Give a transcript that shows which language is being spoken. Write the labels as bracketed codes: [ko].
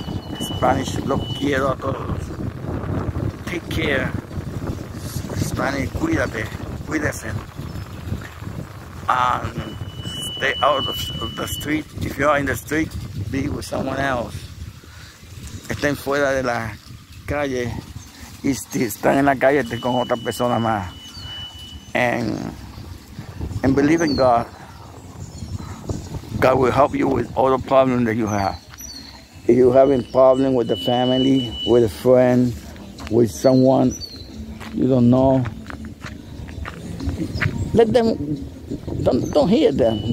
[en] In Spanish, [es] lo quiero a todos. [en] Take care. Spanish, [es] cuídate, cuídese. [en] And stay out of the street. If you are in the street, be with someone else. [es] Estén fuera de la calle. Y si están en la calle, estén con otra persona más. [en] And believe in God. God will help you with all the problems that you have. If you're having problem with the family, with a friend, with someone you don't know, let them, don't hear them.